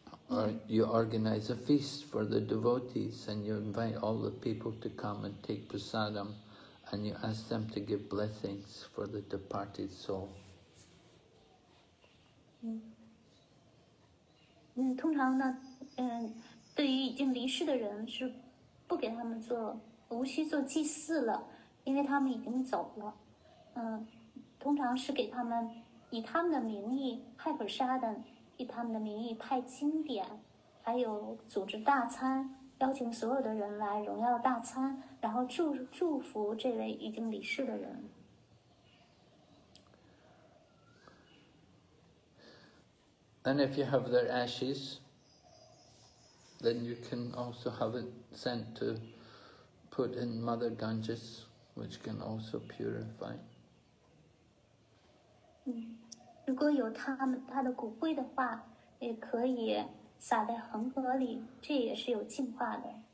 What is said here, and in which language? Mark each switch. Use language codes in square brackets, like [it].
[en] Or you organize a feast for the devotees and you invite all the people to come and take prasadam and you ask them to give blessings for the departed soul. [zh] 通常呢，对于已经离世的人是不给他们做，无需做祭祀了，因为他们已经走了。通常是给他们以他们的名义派普沙的，以他们的名义派经典，还有组织大餐，邀请所有的人来荣耀大餐，然后祝福这位已经离世的人。 [en] And if you have their ashes, then you can also have it sent to put in Mother Ganges, which can also purify. [zh] 如果有他的骨灰的话，也可以撒在恒河里，这也是有净化的。